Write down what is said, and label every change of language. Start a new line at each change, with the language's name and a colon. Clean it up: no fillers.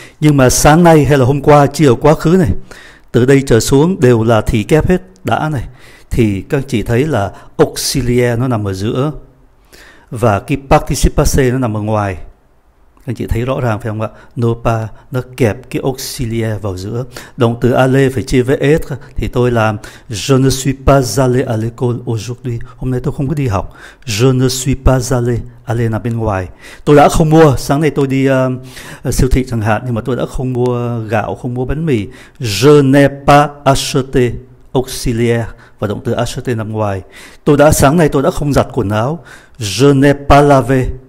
Vietnamese: Nhưng mà sáng nay hay là hôm qua chỉ ở quá khứ này, từ đây trở xuống đều là thì kép hết, đã này, thì các anh chị thấy là auxiliaire nó nằm ở giữa và cái participase nó nằm ở ngoài. Anh chị thấy rõ ràng phải không ạ? Nopa nó kẹp cái auxiliaire vào giữa. Động từ aller phải chia với être. Thì tôi làm
French: je ne suis pas allé à l'école aujourd'hui.
Vietnamese: Hôm nay tôi không có đi học.
French: Je ne suis pas allé. Allé
Vietnamese: là bên ngoài. Tôi đã không mua. Sáng nay tôi đi siêu thị chẳng hạn. Nhưng mà tôi đã không mua gạo, không mua bánh mì.
French: Je n'ai pas acheté.
Vietnamese: Auxiliaire và động từ acheté nằm ngoài. Tôi đã sáng nay tôi đã không giặt quần áo.
French: Je n'ai pas lavé.